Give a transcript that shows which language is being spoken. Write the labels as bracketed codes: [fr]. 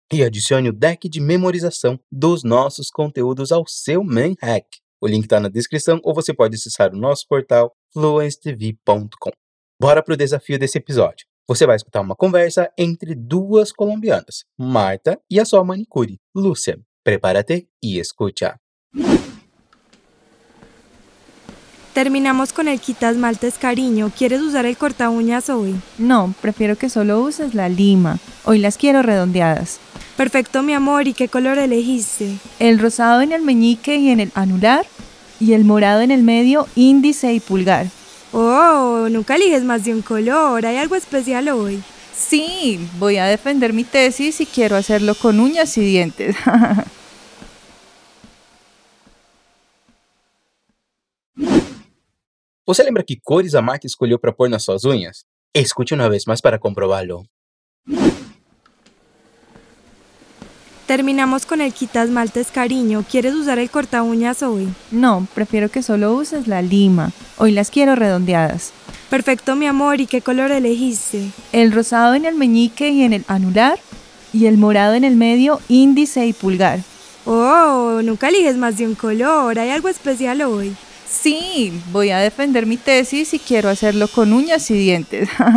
[pt] E adicione o deck de memorização dos nossos conteúdos ao seu main hack. O link está na descrição ou você pode acessar o nosso portal fluencetv.com. Bora para o desafio desse episódio. Você vai escutar uma conversa entre duas colombianas, Marta e a sua manicure, Lúcia. Prepara-te e escute-a. [es] Terminamos con el quita esmaltes, cariño. ¿Quieres usar el corta uñas hoy? No, prefiero que solo uses la lima. Hoy las quiero redondeadas. Perfecto, mi amor. ¿Y qué color elegiste? El rosado en el meñique y en el anular. Y el morado en el medio, índice y pulgar. Oh, nunca eliges más de un color. ¿Hay algo especial hoy? Sí, voy a defender mi tesis y quiero hacerlo con uñas y dientes. [pt] Você lembra que cores a Marta escolheu para pôr nas suas unhas? Escute uma vez mais para comprová-lo. [es] Terminamos com o quita esmaltes, cariño. ¿Quieres usar o corta uñas hoy? [pt] Não, [es] prefiero que solo uses la lima. Hoy las quiero redondeadas. Perfecto, mi amor. ¿Y qué color elegiste? El rosado en el meñique y en el anular. Y el morado en el medio, índice y pulgar. Oh, nunca eliges más de un color. ¿Hay algo especial hoy? Sí, voy a defender mi tesis y quiero hacerlo con uñas y dientes.